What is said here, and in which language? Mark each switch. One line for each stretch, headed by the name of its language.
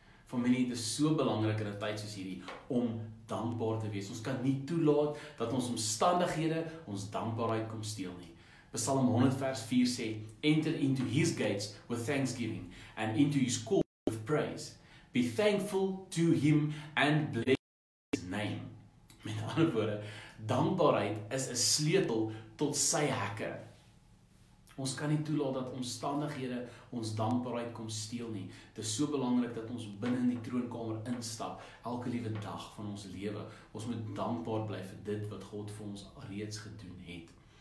Afrikaans: Familie, dit is so belangrik in 'n tyd soos hierdie om dankbaar te wees. Ons kan nie toelaat dat ons omstandighede ons dankbaarheid kom steel nie. Psalm 100 vers 4 sê:
English: "Enter into his gates with thanksgiving and into his courts with praise. Be thankful to him and bless his name."
Afrikaans: Met ander woorde, dankbaarheid is 'n sleutel tot sy hekke. Ons kan nie toelaat dat omstandighede ons dankbaarheid kom steel nie. Dit is so belangrik dat ons binne in die troonkamer instap elke liewe dag van ons lewe. Ons moet dankbaar bly vir dit wat God vir ons reeds gedoen het.